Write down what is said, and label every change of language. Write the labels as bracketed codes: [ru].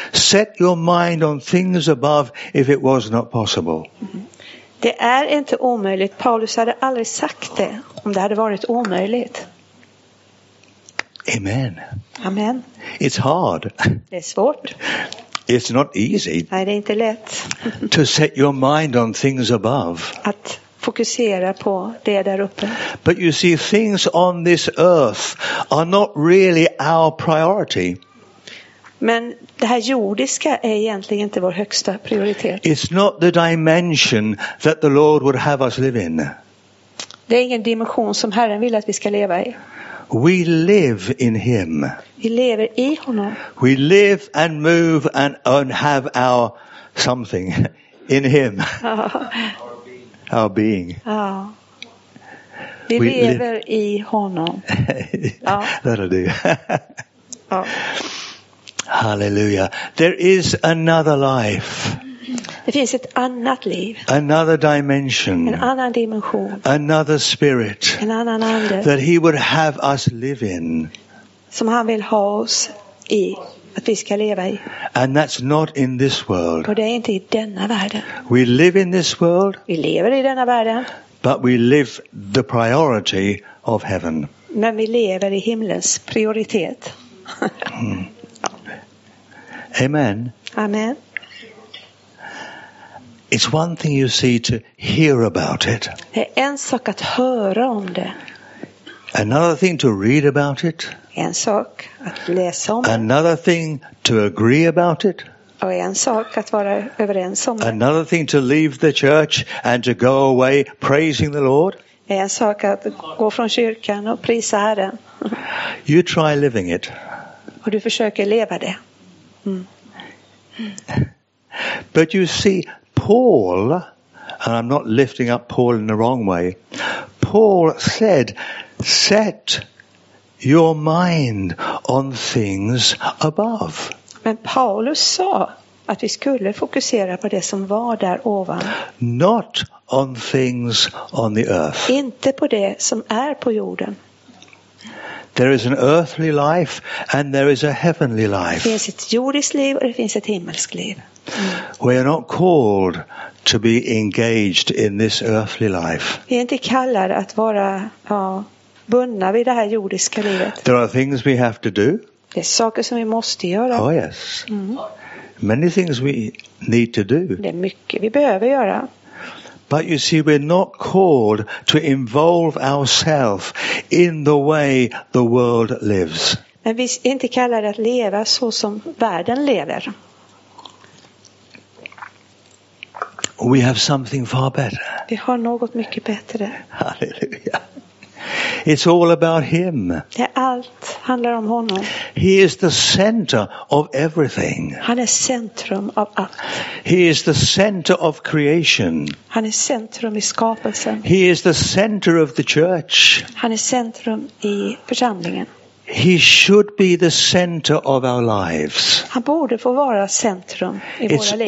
[en] Set your mind on things above if it was not possible. [sv] Det är inte omöjligt. Paulus hade aldrig sagt det om det hade varit omöjligt. [en] Amen. [sv] Amen. [en] It's hard. [sv] Det är svårt. [en] It's not easy. [sv] Nej, det är inte lätt. [en] To set your mind on things above. [sv] Att fokusera på det där uppe. [en] But you see, things on this earth are not really our priority. [sv] Men det här jordiska är egentligen inte vår högsta prioritet. [en] It's not the dimension that the Lord would have us live in. [sv] Det är ingen dimension som Herren vill att vi ska leva i. [en] We live in him. [sv] Vi lever i honom. [en] We live and move and have our something in him. [sv] Ja. [en] Our being. [sv] Ja. Vi lever i honom. [en] Ja. That'll do. [sv] Ja. [en] Hallelujah. There is another life. [sv] Det finns ett annat liv. [en] Another dimension. [sv] En annan dimension. [en] Another spirit. [sv] En annan ande. [en] That he would have us live in. [sv] Som han vill ha oss i. Att vi ska leva i. [en] And that's not in this world. [sv] Och det är inte i denna världen. [en] We live in this world. [sv] Vi lever i denna världen. [en] But we live the priority of heaven. [sv] Men vi lever i himlens prioritet. [en] Amen. [sv] Amen. [en] It's one thing you see to hear about it. [sv] Det är en sak att höra om det. [en] Another thing to read about it. [sv] En sak att läsa om. [en] Another thing to agree about it. [sv] Och en sak att vara överens om. [en] Another thing to leave the church and to go away praising the Lord. [sv] En sak att gå från kyrkan och prisa Herren. [en] You try living it. [sv] Och du försöker leva det. [en] But you see, Paul, and I'm not lifting up Paul in the wrong way, Paul said, set your mind on things above. [sv] Men Paulus sa att vi skulle fokusera på det som var där ovan. [en] Not on things on the earth. [sv] Inte på det som är på jorden. [en] There is an earthly life and there is a heavenly life. [sv] Det finns ett jordiskt liv och det finns ett himmelskt liv. [en] We are not called to be engaged in this earthly life. [sv] Vi är inte kallade att vara bundna vid det här jordiska livet. [en] There are things we have to do. [sv] Det är saker som vi måste göra. [en] Oh yes. Many things we need to do. [sv] Det är mycket vi behöver göra. [en] But you see, we're not called to involve ourselves in the way the world lives. [sv] Men vi är inte kallade att leva så som världen lever. [en] We have something far better. [sv] Vi har något mycket bättre. [en] Hallelujah. It's all about him. [sv] Det är allt handlar om honom. [en] He is the center of everything. [sv] Han är centrum av allt. [en] He is the center of creation. [sv] Han är centrum i skapelsen. [en] He is the center of the church. [sv] Han är centrum i församlingen. [en] He should be the center of our lives. [sv] Han borde få vara centrum i våra liv.